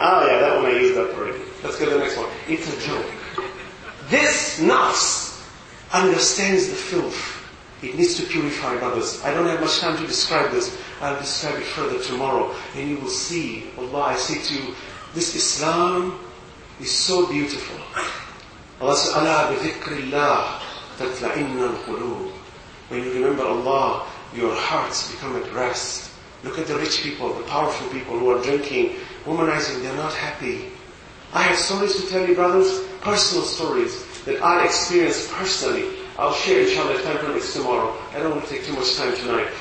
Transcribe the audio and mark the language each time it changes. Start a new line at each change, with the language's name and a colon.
English: Ah, yeah, that one I used up already. Let's get the next one. It's a joke. This nafs understands the filth. It needs to purify others. I don't have much time to describe this. I'll describe it further tomorrow. And you will see, Allah, I say to you, this Islam is so beautiful. Allah says,
Arabic: أَلَا بِذِكْرِ اللَّهِ تَتْلَعِنَّ الْقُلُوبِ.
English: When you remember Allah, your hearts become at rest. Look at the rich people, the powerful people who are drinking, womanizing, they're not happy. I have stories to tell you, brothers, personal stories that I experienced personally. I'll share inshallah, time permits tomorrow. I don't want to take too much time tonight.